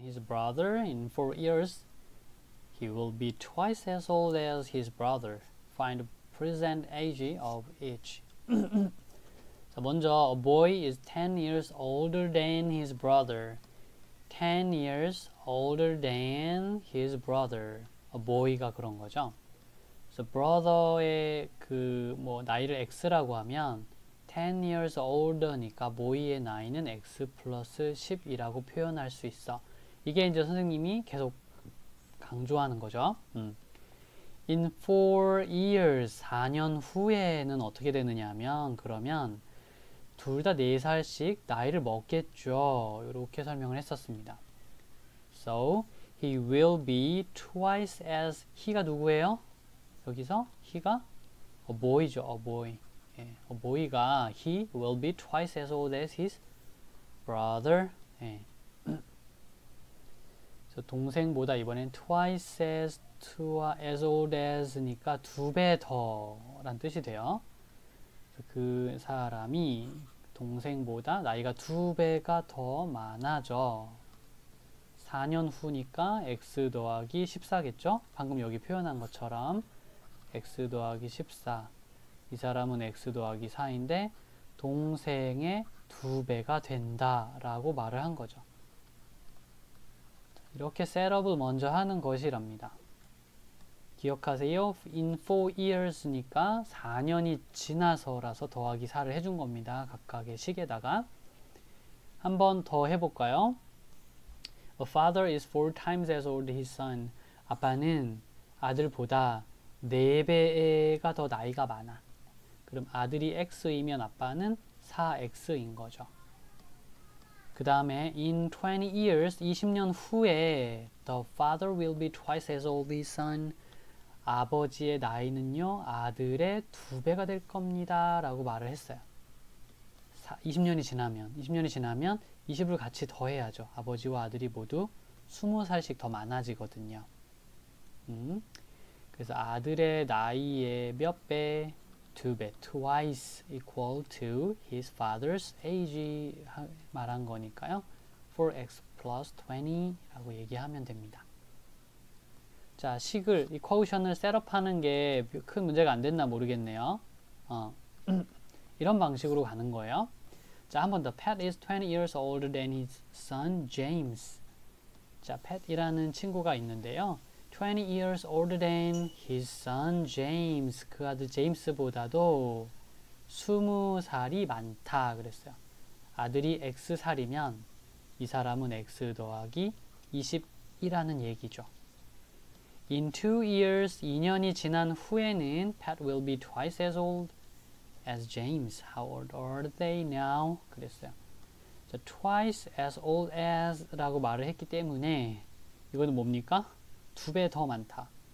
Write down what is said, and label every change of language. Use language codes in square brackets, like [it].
[en] brother in 4 years, he will be twice as old as his brother. Find present age of each. [ko] 자, 먼저 [en] a boy is 10 years older than his brother. 10 years older than his brother. [ko] A boy가 그런 거죠. So brother의 그 뭐 나이를 x라고 하면 [en] 10 years older [ko] 니까 boy의 나이는 x 플러스 10이라고 표현할 수 있어. 이게 이제 선생님이 계속 강조하는 거죠. [en] In 4 years, [ko] 4년 후에는 어떻게 되느냐 하면 그러면 둘 다 4살씩 나이를 먹겠죠. 이렇게 설명을 했었습니다. [en] So, he will be twice as, he가 누구예요? [ko] 여기서 [en] he가 a boy죠, a boy. A boy가 he will be twice as old as his brother. [ko] 동생보다 이번엔 [en] twice as, as old as [ko] 니까 두 배 더 란 뜻이 돼요. 그 사람이 동생보다 나이가 두 배가 더 많아져. 4년 후니까 x 더하기 14겠죠? 방금 여기 표현한 것처럼 x 더하기 14. 이 사람은 x 더하기 4인데 동생의 두 배가 된다 라고 말을 한 거죠. 이렇게 셋업을 먼저 하는 것이랍니다. 기억하세요. [en] In 4 years [ko] 니까 4년이 지나서라서 더하기 4를 해준 겁니다. 각각의 식에다가. 한 번 더 해볼까요? [en] A father is 4 times as old as his son. [ko] 아빠는 아들보다 4배가 더 나이가 많아. 그럼 아들이 X이면 아빠는 4X인 거죠. 그 다음에 [en] in 20 years, [ko] 20년 후에 [en] the father will be twice as old as his son. [ko] 아버지의 나이는요, 아들의 두 배가 될 겁니다. 라고 말을 했어요. 20년이 지나면 20을 같이 더해야죠. 아버지와 아들이 모두 20살씩 더 많아지거든요. 그래서 아들의 나이의 몇 배? 두 배. [en] Twice equal to his father's age [ko] 말한 거니까요. [en] 4x plus 20 [ko] 라고 얘기하면 됩니다. 자, 식을, 이퀘이션을 셋업하는 게 큰 문제가 안 됐나 모르겠네요. 이런 방식으로 가는 거예요. 자, 한 번 더. [en] Pat is 20 years older than his son, James. [ko] 자, Pat이라는 친구가 있는데요. [en] 20 years older than his son, James. [ko] 그 아들 제임스보다도 20살이 많다 그랬어요. 아들이 X살이면 이 사람은 X 더하기 20이라는 얘기죠. [en] In 2 years, [ko] 2년이 지난 후에는 [en] Pat will be twice as old as James. How old are they now? [ko] 그랬어요. So, [en] twice as old as [ko] 라고 말을 했기 때문에 이거는 뭡니까? 두 배 더 많다.